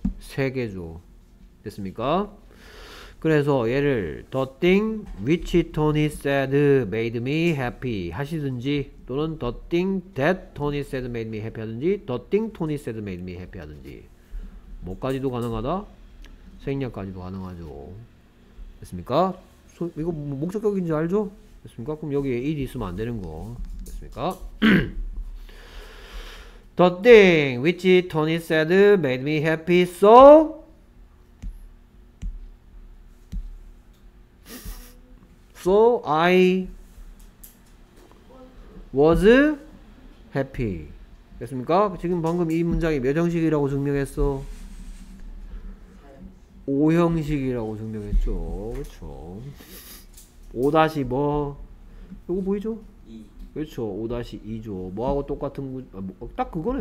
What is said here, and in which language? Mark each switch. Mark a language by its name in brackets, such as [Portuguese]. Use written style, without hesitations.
[Korean] 세 개죠. 됐습니까? 그래서 얘를 [English] The thing which Tony said made me happy [Korean] 하시든지 또는 [English] The thing that Tony said made me happy [Korean] 하든지 [English] The thing Tony said made me happy [Korean] 하든지 뭐까지도 가능하다? 생략까지도 가능하죠. 됐습니까? 이거 목적격인지 알죠? 됐습니까? 그럼 여기에 it 있으면 안 되는 거. 됐습니까? [English] The thing which Tony said made me happy so 'So I was happy. [Korean] 됐습니까? 지금 방금 이 문장이 몇 형식이라고 증명했어? 5형식이라고 증명했죠. 그렇죠. 5 다시 뭐? 이거 보이죠? 그렇죠. 5 다시 2죠. 뭐하고 똑같은 딱 그거네.